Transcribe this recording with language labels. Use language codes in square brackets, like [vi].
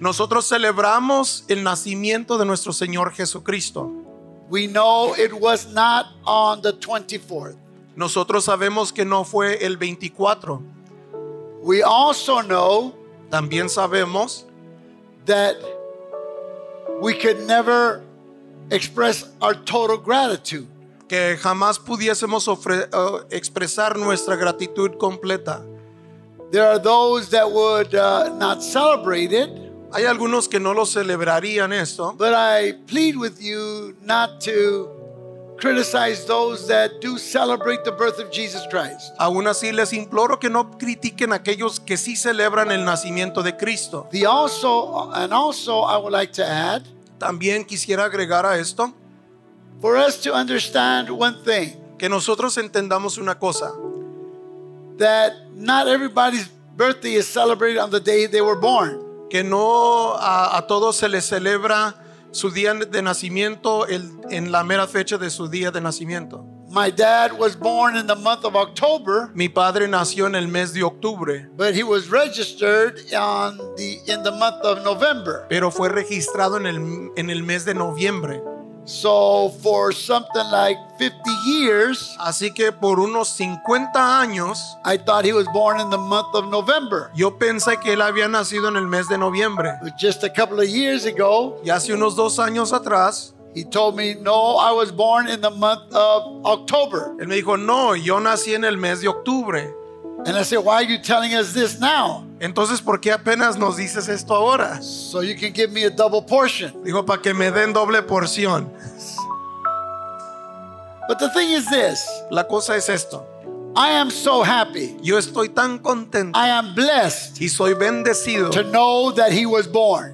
[es] Nosotros celebramos el nacimiento de nuestro Señor Jesucristo. [en] We know it was not on the 24th. [es] Nosotros sabemos que no fue el 24. [en] We also know [es] también sabemos [en] that we could never express our total gratitude. [es] Que jamás pudiésemos expresar nuestra gratitud completa. [en] There are those that would not celebrate it. [es] Hay algunos que no lo celebrarían esto. [en] But I plead with you not to criticize those that do celebrate the birth of Jesus Christ. [es] Aún así les imploro que no critiquen aquellos que sí celebran el nacimiento de Cristo. [en] And also I would like to add. [es] También quisiera agregar a esto. [en] For us to understand one thing. [es] Que nosotros entendamos una cosa. [en] That not everybody's birthday is celebrated on the day they were born. [es] Que no a todos se les celebra su día de nacimiento en la mera fecha de su día de nacimiento. [en] My dad was born in the month of October. [es] Mi padre nació en el mes de octubre. [en] But he was registered in the month of November. [es] Pero fue registrado en el mes de noviembre. [en] So for something like 50 years, [es] así que por unos 50 años, [en] I thought he was born in the month of November. [es] Yo pensé que él había nacido en el mes de noviembre. [en] But just a couple of years ago, [es] y hace unos 2 años atrás, [en] he told me, no, I was born in the month of October. [es] Él me dijo, no, yo nací en el mes de octubre. [en] And I said, why are you telling us this now? [es] Entonces, ¿por qué apenas nos dices esto ahora? [en] So you can give me a double portion. [es] Dijo, para que me den doble porción. [en] But the thing is this. [es] La cosa es esto. [en] I am so happy. [es] Yo estoy tan contento. [en] I am blessed. [es] Y soy bendecido. [en] To know that he was born.